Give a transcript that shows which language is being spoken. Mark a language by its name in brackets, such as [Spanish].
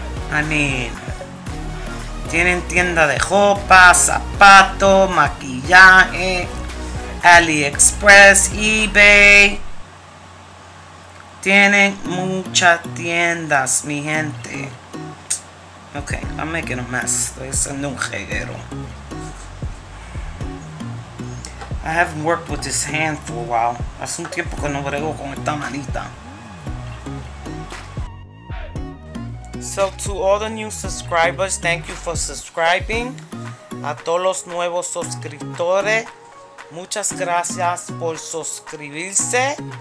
[Spanish] I mean, tienen tienda de ropa, zapato, maquillaje, AliExpress, eBay. Tienen muchas tiendas, mi gente. [English] Okay, I'm making a mess. [Spanish] Estoy haciendo un reguero. [English] I haven't worked with this hand for a while. [Spanish] Hace un tiempo que no brego con esta manita. [English] So to all the new subscribers, thank you for subscribing. [Spanish] A todos los nuevos suscriptores, muchas gracias por suscribirse.